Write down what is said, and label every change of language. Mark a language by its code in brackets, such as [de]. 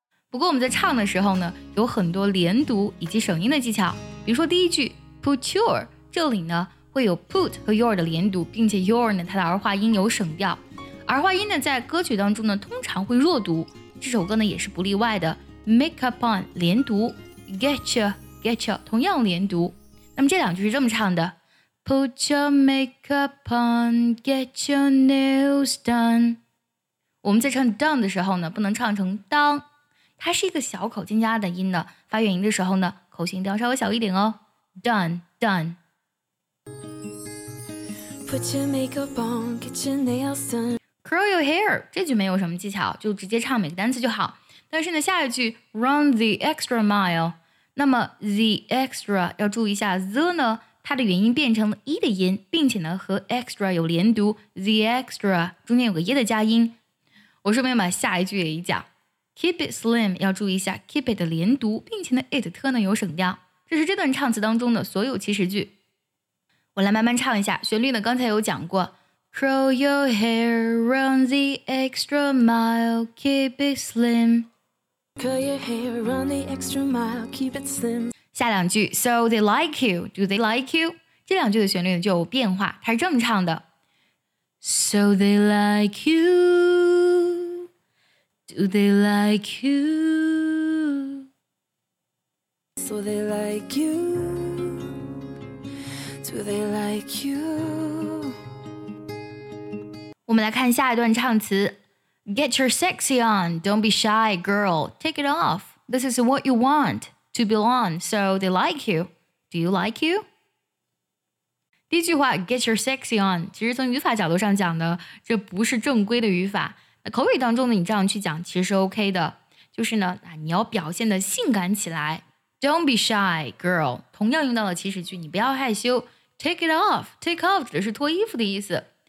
[zh] 不过我们在唱的时候呢有很多连读以及省音的技巧比如说第一句 [en] put your 这里呢会有 put 和 your 的连读并且 your 呢它的儿化音有省调儿化音呢在歌曲当中呢通常会弱读这首歌呢也是不例外的 makeup on 连读 get you 同样连读那么这两句是这么唱的 put your makeup on get your nails done [zh] 我们在唱 done 的时候呢不能唱成当它是一个小口尖加的音的发元音的时候呢口型一定要稍微小一点哦 Done [en] Put your makeup on, get your nails done Curl your hair [zh] 这句没有什么技巧就直接唱每个单词就好但是呢下一句 [en] Run the extra mile [zh] 那么 the extra 要注意一下 the 呢它的元音变成了 e 的音并且呢和 extra 有连读 the extra 中间有个 e 的加音我顺便把下一句也一讲 [en] Keep it slim [zh] 要注意一下 Keep it 的连读并且呢 it 呢有省调这是这段唱词当中的所有祈使句我来慢慢唱一下旋律呢刚才有讲过 [en] Curl your hair run the extra mile Keep it slim Curl your hair run the extra mile Keep it slim [zh] 下两句 [en] So they like you [zh] Do they like you 这两句的旋律呢就有变化它是这么唱的 [en] So they like youDo they like you? So they like you? Do they like you? [zh] 我们来看下一段唱词 [en] Get your sexy on, don't be shy, girl. Take it off. This is what you want to belong. So they like you. Do you like you? [zh] 第一句话 [en] Get your sexy on [zh] 其实从语法角度上讲呢这不是正规的语法口语当中呢你这样去讲其实是 OK 的就是呢你要表现的性感起来 [en] Don't be shy, girl [zh] 同样用到了祈使句你不要害羞 [en] Take it off [zh] Take off 指的是脱衣服的意思